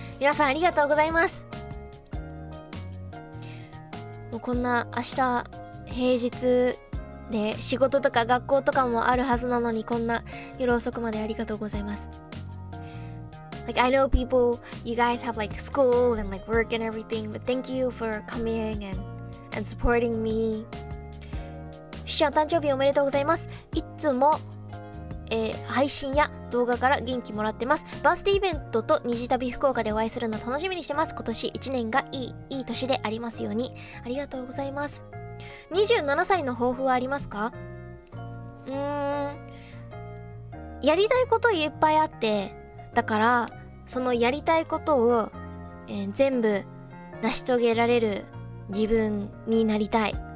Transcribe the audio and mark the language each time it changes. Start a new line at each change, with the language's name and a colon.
Japanese: 皆さんありがとうございます。もうこんな明日平日で仕事とか学校とかもあるはずなのに、こんな夜遅くまでありがとうございます。
English: Like, I know people, you guys have like school and like work and everything, but thank you for coming and supporting me.
Japanese: しゃん、誕生日おめでとうございます。いつも、配信や動画から元気もらってます。バースデーイベントと虹旅福岡でお会いするの楽しみにしてます。今年1年がいい年でありますように。ありがとうございます。 27歳の抱負はありますか？やりたいこといっぱいあって、だからそのやりたいことを、全部成し遂げられる自分になりたい。